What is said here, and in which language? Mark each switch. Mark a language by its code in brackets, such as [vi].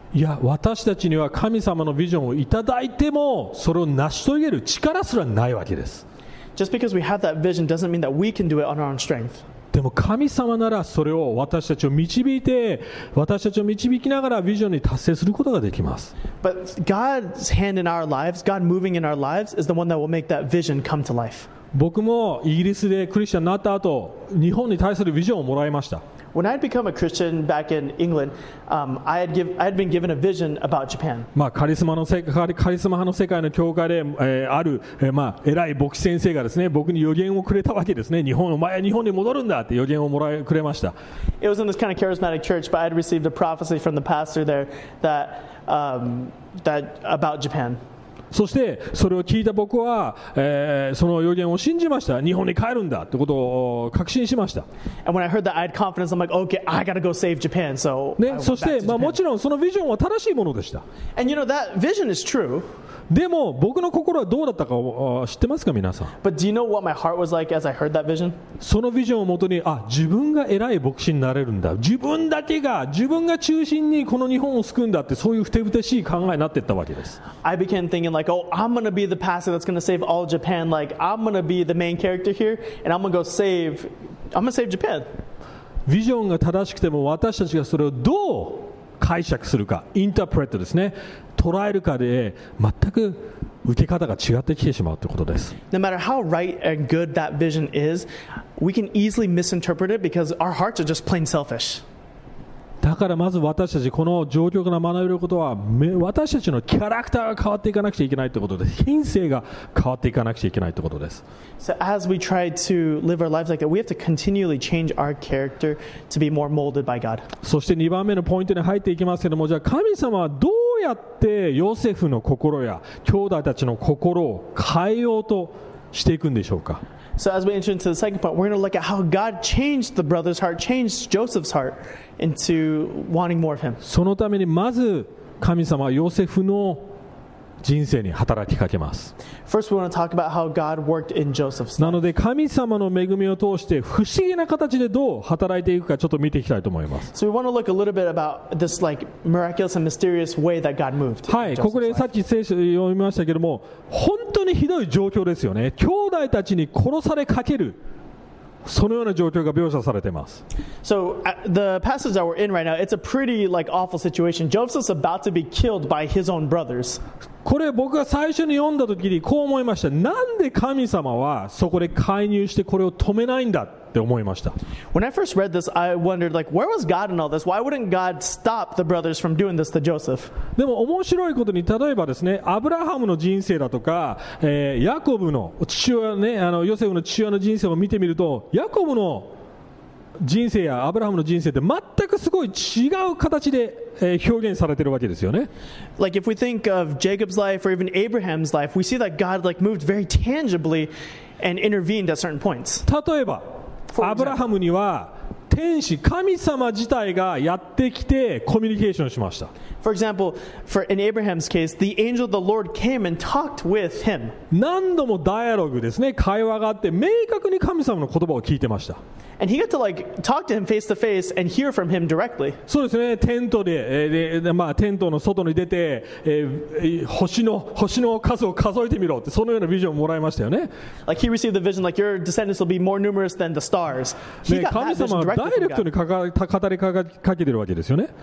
[ja] いや、私たちには神様のビジョンをいただいてもそれを成し遂げる力すらないわけです。 [en] Just because we have that vision doesn't mean that we can do it on our own strength. [ja] でも神様ならそれを私たちを導いて私たちを導きながらビジョンに達成することができます。 [en] But God's hand in our lives, God moving in our lives is the one that will make that vision come to life. [ja] 僕もイギリスでクリスチャンになった後日本に対するビジョンをもらいました。 [en] When I had become a Christian back in England, I had been given a vision about Japan. [ja] まあ、カリスマ派の世界の教会で、ある、まあ、偉い牧師先生がですね、僕に予言をくれたわけですね。日本、お前は日本に戻るんだって予言をもらえくれました。 [en] It was in this kind of charismatic church, but I had received a prophecy from the pastor there that about Japan. [ja] そしてそれを聞いた僕は、その予言を信じました。日本に帰るんだってことを確信しました。 [en] And when I heard that, I had confidence. I'm like, okay, I gotta go save Japan. So、 [ja] ね、そして、まあ、もちろんそのビジョンは正しいものでした。 [en] And you know that vision is true. [ja] でも僕の心はどうだったか知ってますか皆さん。 [en] But do you know what my heart was like as I heard that vision? [ja] そのビジョンをもとに、あ、自分が偉い牧師になれるんだ、自分だけが、自分が中心にこの日本を救うんだって、そういうふてぶてしい考えになっていったわけです。 [en] I began thinking like, oh, I'm gonna be the pastor that's gonna save all Japan. Like, I'm gonna be the main character here, and I'm gonna go save, I'm gonna save Japan. [ja] ビジョンが正しくても、私たちがそれをどう解釈するか、インタープレットですね、捉えるかで全く受け方が違ってきてしまうということです。 [en] No matter how right and good that vision is, we can easily misinterpret it because our hearts are just plain selfish. [ja] だからまず私たちこの状況から学べることは、私たちのキャラクターが変わっていかなくちゃいけないということです。品性が変わっていかなくちゃいけないということです。 [en] So as we try to live our lives like that, we have to continually change our character to be more molded by God. [ja] そして2番目のポイントに入っていきますけども、じゃあ神様はどうどうやってヨセフの心や兄弟たちの心を変えようとしていくんでしょうか。 [en] So as we enter into the second part, we're going to look at how God changed the brother's heart, changed Joseph's heart into wanting more of him. [ja] そのためにまず神様はヨセフの人生に働きかけます。 [en] First we want to talk about how God worked in Joseph's life. [ja] なので神様の恵みを通して不思議な形でどう働いていくか、ちょっと見ていきたいと思います。 [en] So we want to look a little bit about this like miraculous and mysterious way that God moved. [ja] はい、ここでさっき聖書読みましたけども、本当にひどい状況ですよね。兄弟たちに殺されかける、そのような状況が描写されています。 [en] So the passage that we're in right now, it's a pretty like awful situation. Joseph's about to be killed by his own brothers. [ja] これ僕が最初に読んだ時にこう思いました。なんで神様はそこで介入してこれを止めないんだって思いました。 [en] When I first read this, I wondered like, where was God in all this? Why wouldn't God stop the brothers from doing this to Joseph? [ja] でも面白いことに、例えばですね、アブラハムの人生だとか、ヤコブの父親ね、あのヨセフの父親の人生を見てみると、ヤコブの人生やアブラハムの人生って全くすごい違う形で表現されているわけですよね。 [en] Like if we think of Jacob's life or even Abraham's life, we see that God like moved very tangibly and intervened at certain points. [ja] 例えばアブラハムには天使、神様自体がやってきてコミュニケーションしました。 [en] For example, for in Abraham's case, the angel of the Lord came and talked with him. [ja] 何度もダイアログですね、会話があって明確に神様の言葉を聞いてました。 [en] And he got to like talk to him face to face and hear from him directly. [ja] そうですね。テントで、まあテントの外に出て、星の数を数えてみろって、そのようなビジョンをもらいましたよね。 [en] Like he received the vision, like your descendants will be more numerous than the stars. He got that vision directly from God. [ja] 神様はダイレクトに語りかけてるわけですよね。